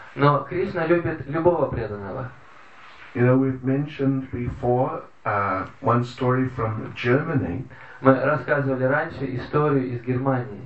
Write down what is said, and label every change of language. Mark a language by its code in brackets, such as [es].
[ru] Но Кришна любит любого преданного. [en] You know, we've mentioned before one story from Germany. [ru] Мы рассказывали раньше историю из Германии.